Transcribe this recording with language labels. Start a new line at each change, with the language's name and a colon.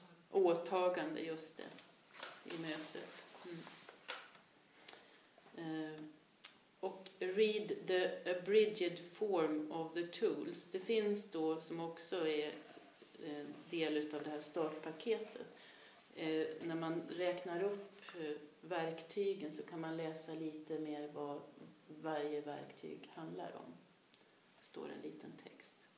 Swedish: Åtagande, just det, i mötet. Och
English: read the abridged form of the tools.
Swedish: Det finns då, som också är del av det här startpaketet. När man räknar upp verktygen så kan man läsa lite mer vad varje verktyg handlar om. Står en liten text.